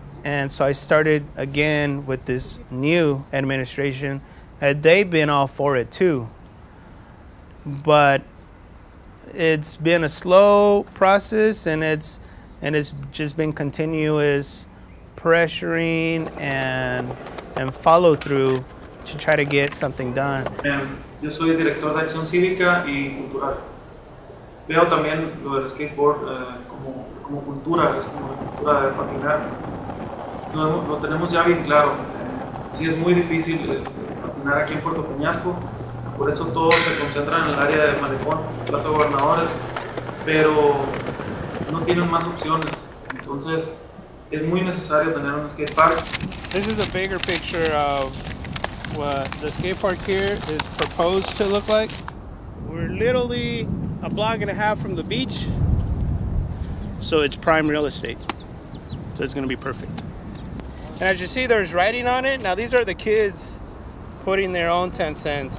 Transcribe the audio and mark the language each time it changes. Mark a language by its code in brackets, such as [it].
[en] And so I started again with this new administration, and they've been all for it too. But it's been a slow process, and it's just been continuous pressuring and follow through to try to get something done. [es] Yo soy director de Acción Cívica y Cultural. Veo también lo del skateboard como cultura, es como cultura de patinar. Lo tenemos ya bien claro. Sí es muy difícil patinar aquí en Puerto Peñasco, por eso todos se concentran en el área de Malecón, Plaza Gobernadores, pero no tienen más opciones. Entonces, es muy necesario tener un skate park. [en] This is a bigger picture of what the skate park here is proposed to look like. We're literally a block and a half from the beach, so it's prime real estate. So it's gonna be perfect. And as you see, there's writing on it. Now these are the kids putting their own 10 cents.